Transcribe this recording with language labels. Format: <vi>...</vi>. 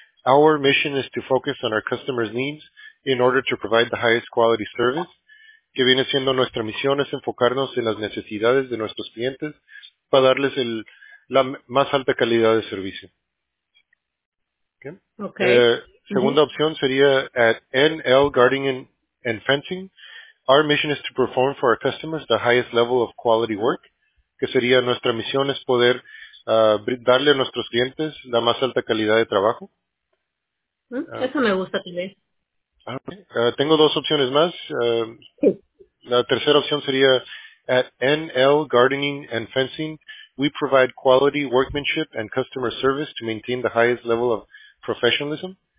<en>Our mission is to focus on our customers' needs in order to provide the highest quality service.</en> <es>Que viene siendo nuestra misión es enfocarnos en las necesidades de nuestros clientes para darles la más alta calidad de servicio.</es> <en>Okay. Okay.</en> <es>Segunda uh-huh. opción sería at NL Gardening and Fencing.</es> <en>Our mission is to perform for our customers the highest level of quality work.</en> <es>Que sería nuestra misión es poder darle a nuestros clientes la más alta calidad de trabajo. Eso me gusta también. Tengo dos opciones más. La tercera opción sería:</es> <en>at NL Gardening and Fencing, we provide quality workmanship and customer service to maintain the highest level of professionalism.</en>